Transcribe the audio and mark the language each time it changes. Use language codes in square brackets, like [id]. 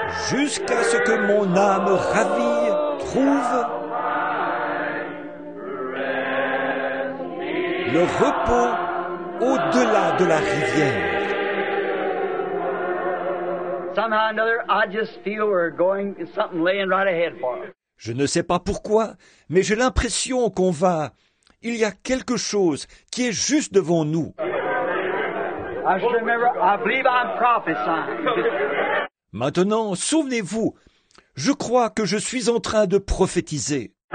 [fr] Jusqu'à ce que mon âme ravie trouve le repos au-delà de la rivière. [en] Somehow another, I just feel we're going something laying right ahead for us. [fr] Je ne sais pas pourquoi, mais j'ai l'impression qu'on va. Il y a quelque chose qui est juste devant nous. [en] I should remember, I believe I'm prophesying. [fr] Maintenant, souvenez-vous, je crois que je suis en train de prophétiser.